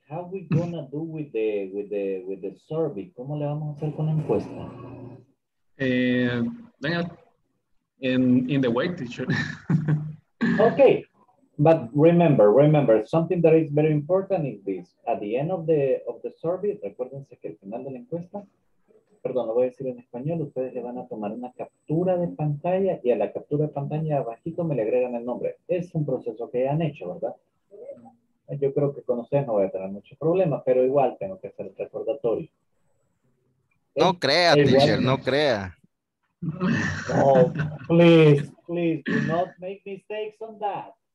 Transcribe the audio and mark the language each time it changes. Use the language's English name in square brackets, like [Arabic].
[English] How are we gonna do with the survey? [Spanish] ¿Cómo le vamos a hacer con la encuesta? [English] In the way, teacher. Okay, but remember something that is very important is this. At the end of the survey, [Spanish] recuérdense que al final de la encuesta, perdón, lo voy a decir en español, ustedes le van a tomar una captura de pantalla y a la captura de pantalla abajito me le agregan el nombre. Es un proceso que han hecho, ¿verdad? Yo creo que con ustedes no voy a tener mucho problema, pero igual tengo que hacer el recordatorio. No crea, teacher, no crea. [English] Oh, please, please do not make mistakes on that.